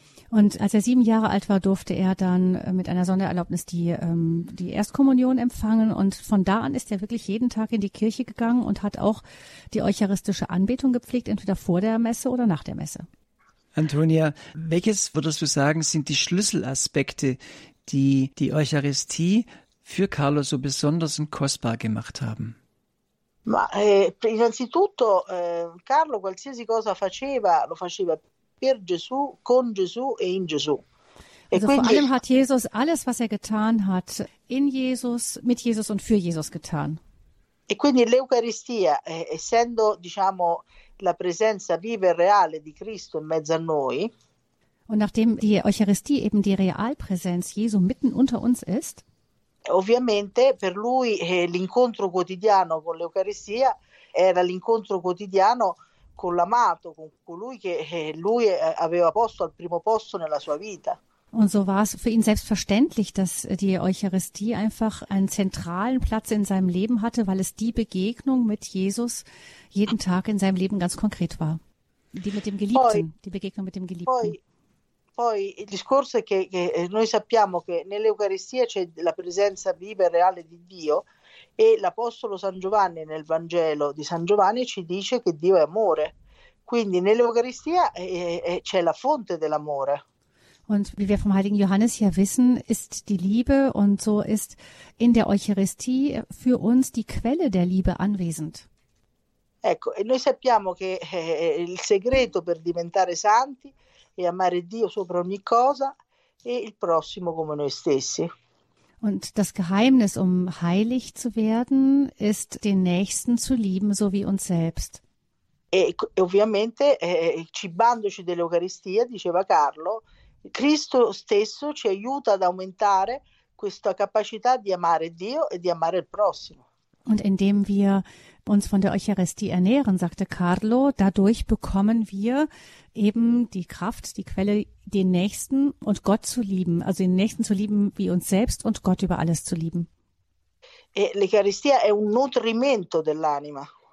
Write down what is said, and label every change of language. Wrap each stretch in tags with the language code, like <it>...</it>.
<de>Und als er 7 Jahre alt war, durfte er dann mit einer Sondererlaubnis die Erstkommunion empfangen, und von da an ist er wirklich jeden Tag in die Kirche gegangen und hat auch die eucharistische Anbetung gepflegt, entweder vor der Messe oder nach der Messe. Antonia, welches würdest du sagen, sind die Schlüsselaspekte, die die Eucharistie für Carlo so besonders und kostbar gemacht haben?</de> <it>Ma innanzitutto Carlo qualsiasi cosa faceva, lo faceva per Gesù, con Gesù e in Gesù.</it> <de>Also vor allem hat Jesus alles, was er getan hat, in Jesus, mit Jesus und für Jesus getan.</de> <it>E quindi l'Eucaristia, essendo, diciamo, la presenza viva e reale di Cristo in mezzo a noi.</it> <de>Und nachdem die Eucharistie eben die Realpräsenz Jesu mitten unter uns ist,</de> <it>ovviamente per lui l'incontro quotidiano con l'Eucaristia era l'incontro quotidiano con l'amato, con colui che lui aveva posto al primo posto nella sua vita.</it> <de>Und so war es für ihn selbstverständlich, dass die Eucharistie einfach einen zentralen Platz in seinem Leben hatte, weil es die Begegnung mit Jesus jeden Tag in seinem Leben ganz konkret war. Die mit dem Geliebten, die Begegnung mit dem Geliebten.</de> <it>Poi il discorso è che noi sappiamo che nell'Eucaristia c'è la presenza viva e reale di Dio e l'Apostolo San Giovanni nel Vangelo di San Giovanni ci dice che Dio è amore. Quindi nell'Eucaristia c'è la fonte dell'amore.</it> <de>Und wie wir vom Heiligen Johannes hier wissen, ist die Liebe und so ist in der Eucharistie für uns die Quelle der Liebe anwesend.</de> <it>Ecco, e noi sappiamo che il segreto per diventare santi e amare Dio sopra ogni cosa e il prossimo come noi stessi.</it> <de>Und das Geheimnis, um heilig zu werden, ist den Nächsten zu lieben, so wie uns selbst.</de> <it>E ovviamente, cibandoci dell'Eucaristia, diceva Carlo, Cristo stesso ci aiuta ad aumentare questa capacità di amare Dio e di amare il prossimo.</it> <de>Und indem wir uns von der Eucharistie ernähren, sagte Carlo, dadurch bekommen wir eben die Kraft, die Quelle, den Nächsten und Gott zu lieben, also den Nächsten zu lieben wie uns selbst und Gott über alles zu lieben.</de> <it>E l'Eucaristia è un nutrimento dell'anima.</it>